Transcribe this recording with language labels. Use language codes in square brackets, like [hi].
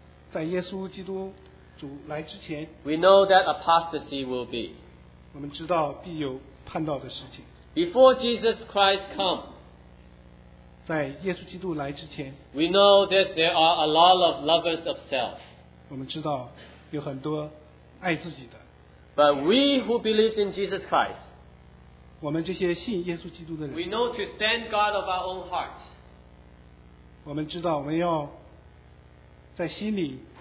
[zh] 在耶稣基督主来之前， [en] we know that apostasy will be. [zh] 我们知道必有叛道的事情。 [en] Before Jesus Christ come, [zh] 在耶稣基督来之前， [en] we know that there are a lot of lovers of self. [zh] 我们知道有很多爱自己的。 [en] But we who believe in Jesus Christ, [zh] 我们这些信耶稣基督的人, [en] we know to stand God of our own heart. [zh] 我们知道我们要在心里,